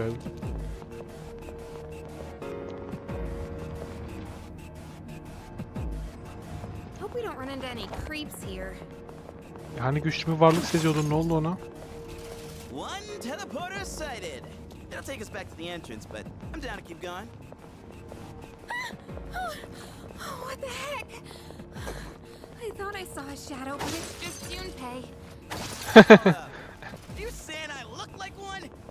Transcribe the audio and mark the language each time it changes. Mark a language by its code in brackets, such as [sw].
[en] Hope we don't run into any creeps here. [tr] Hani güçlü bir varlık seziyordun, ne oldu ona? [en] One teleporter sighted. It'll take us back to the entrance, but I'm down to keep going. Oh, what the heck? I thought I saw a shadow, but it's just Junpei. You saying I look like one?